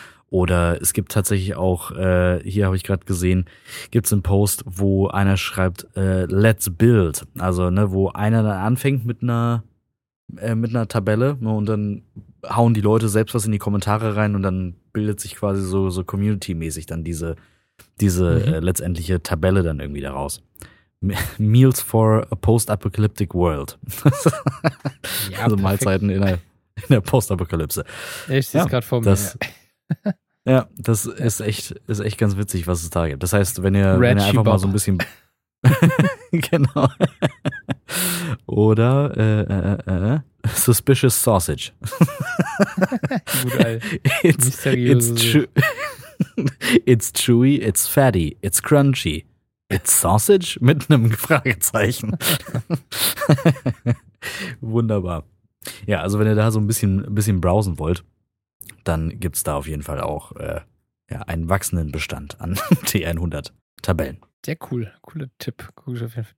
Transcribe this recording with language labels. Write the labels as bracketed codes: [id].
[de] Oder es gibt tatsächlich auch, hier habe ich gerade gesehen, gibt es einen Post, wo einer schreibt, [en] let's build. [de] Also, ne, wo einer dann anfängt mit einer Tabelle, ne, und dann hauen die Leute selbst was in die Kommentare rein und dann bildet sich quasi so Community-mäßig dann diese letztendliche Tabelle dann irgendwie daraus. [en] Meals for a post-apocalyptic world. [de] Ja, also Mahlzeiten in der Post-Apokalypse. Ich sehe es gerade vor mir. Das ist echt ganz witzig, was es da gibt. Das heißt, wenn ihr einfach mal so ein bisschen genau. Oder Suspicious Sausage. [en] It's chewy, it's fatty, it's crunchy. It's Sausage? [de] Mit einem Fragezeichen. Wunderbar. Ja, also wenn ihr da so ein bisschen browsen wollt, dann gibt's da auf jeden Fall auch einen wachsenden Bestand an T100-Tabellen. Sehr cool. Cooler Tipp. Guck ich auf jeden Fall.